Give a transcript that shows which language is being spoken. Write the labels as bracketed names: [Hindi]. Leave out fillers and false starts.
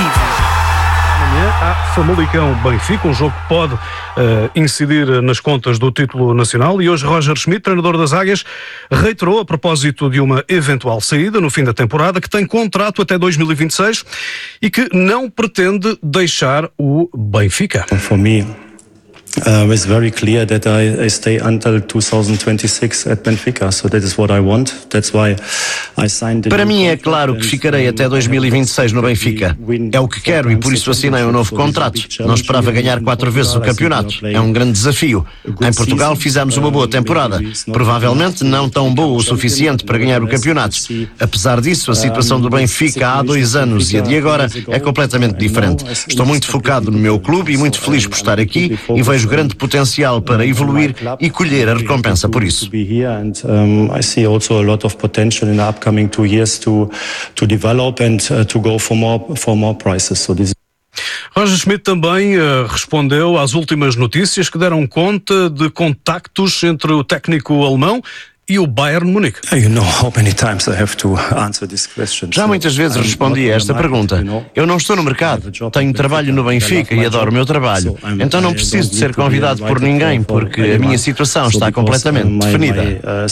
[Portuguese] Amanhã há Famalicão-Benfica, um jogo que pode incidir nas contas do título nacional. E hoje Roger Schmidt, treinador das Águias, reiterou a propósito de uma eventual saída no fim da temporada que tem contrato até 2026 e que não pretende deixar o Benfica. [English] For me, it's very clear that I stay until 2026 at Benfica, so that is what I want. That's why I signed. [Portuguese] Para mim é claro que ficarei até 2026 no Benfica. É o que quero e por isso assinei um novo contrato. Não esperava ganhar 4 vezes o campeonato. É um grande desafio. Em Portugal fizemos uma boa temporada. Provavelmente não tão boa o suficiente para ganhar o campeonato. Apesar disso, a situação do Benfica há 2 anos e a de agora é completamente diferente. Estou muito focado no meu clube e muito feliz por estar aqui e vejo grande potencial para evoluir e colher a recompensa por isso. [English] I see also a lot of potential in the upcoming 2 years to develop and to go for more prizes. So this. [Portuguese] Roger Schmidt também respondeu às últimas notícias que deram conta de contactos entre o técnico alemão e o Bayern Munique. [English] You know how many times I have to answer this question. [Portuguese] Já muitas vezes respondi a esta pergunta. Eu não estou no mercado. Tenho trabalho no Benfica e adoro o meu trabalho. Então não preciso de ser convidado por ninguém, porque a minha situação está completamente definida.